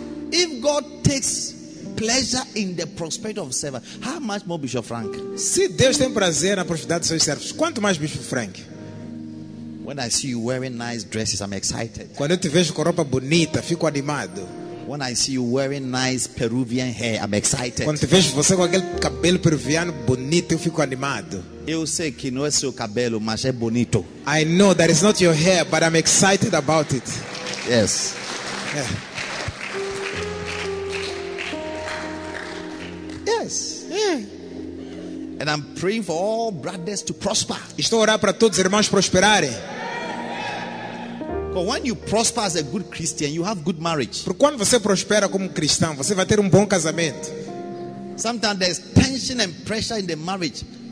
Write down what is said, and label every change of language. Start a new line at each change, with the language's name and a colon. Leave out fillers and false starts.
English: If God takes pleasure in the prosperity of servants, how much more Bishop Frank?
Portuguese: Se Deus tem prazer na prosperidade dos seus servos, quanto mais Bishop Frank?
English: When I see you wearing nice dresses, I'm excited.
Portuguese: Quando eu te vejo com roupa bonita, fico animado.
English: When I see you wearing nice Peruvian hair, I'm excited.
Portuguese: Quando vejo você com aquele cabelo peruviano bonito, eu fico animado. Eu sei que não é seu cabelo, mas é bonito.
English: I know that it's not your hair, but I'm excited about it. Yes. Yeah. Yes. Yeah. And I'm praying for all brothers to prosper.
Portuguese: Estou orando para todos os irmãos prosperarem.
English: But when you prosper as a good Christian, you have good marriage.
Portuguese: Porque quando você prospera como cristão, você vai ter bom casamento.
English: Sometimes there's tension and pressure in the marriage.